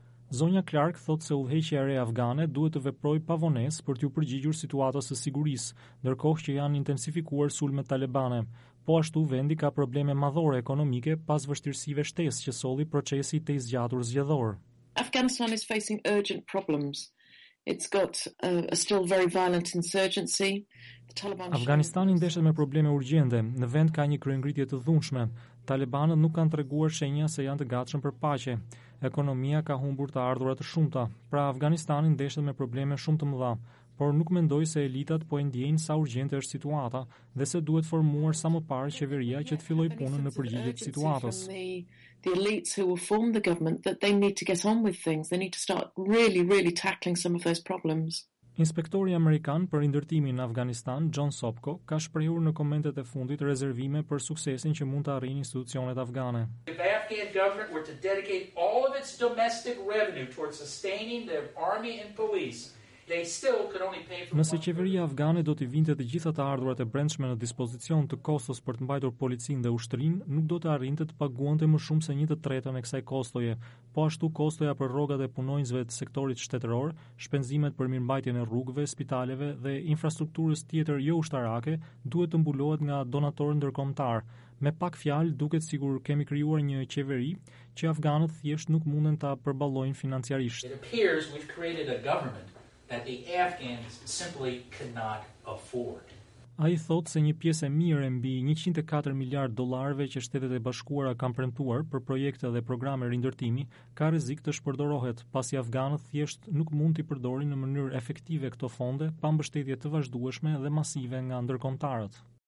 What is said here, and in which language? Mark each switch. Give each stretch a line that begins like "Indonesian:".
Albanian: Zonja Clark thot se udhëheqja e re afgane duhet të veprojë pavonesë për t'u përgjigjur situatës së sigurisë, ndërkohë që janë intensifikuar sulmet talebane. Po ashtu vendi ka probleme madhore ekonomike pas vështirësive shtesë që solli procesi i tej zgjatur zgjedhor.
English: Afghanistan is facing urgent problems. It's got a still very violent insurgency.
Albanian: Afganistani ndeshet me probleme urgjente. Në vend ka një kryengritje të dhunshme. Talebanët nuk kanë treguar shenja se janë të gatshëm për paqe. Ekonomia ka humbur të ardhurat të shumta, pra Afganistani ndeshet me probleme shumë të mëdha, por nuk mendoj se elitat po e ndjejnë sa urgjente është situata dhe se duhet formuar sa më parë qeveria që të filloj punën në përgjigje të situatës.
English: The elites who will form the government that they need to get on with things, they need to start really, really tackling some of those problems.
Albanian: Inspektori Amerikan për ndërtimin në Afganistan, John Sopko, ka shprehur në komentet e fundit rezervime për suksesin që mund të arrijnë institucionet afgane.
English: If Afghan government were to dedicate all of its domestic revenue towards sustaining their army and police, they still could only pay for.
Albanian: Nëse qeveria afgane do të vinte të gjitha të ardhurat e brendshme në dispozicion të kostos për të mbajtur policinë dhe ushtrinë, nuk do të arrinte të paguante më shumë se 1/3 e kësaj kostoje. Po ashtu kostoja për rrogat e punonjësve të sektorit shtetëror, shpenzimet për mirëmbajtjen e rrugëve, spitaleve dhe infrastrukturës tjetër jo ushtarake duhet të mbulohet nga donatorë ndërkombëtar. Me pak fjalë, duket sikur kemi krijuar një qeveri që afganët thjesht nuk munden ta përballojnë financiarisht.
English: That the Afghans simply cannot afford.
Albanian: Ai thot se një pjesë e mirë mbi 104 miliard dollarëve që Shtetet e Bashkuara kanë premtuar për projekte dhe programe rindërtimi ka rrezik të shpërdorohet, pasi afganët thjesht nuk mund t'i përdorin në mënyrë efektive këto fonde pa mbështetje të vazhdueshme dhe masive nga ndërkombëtarët.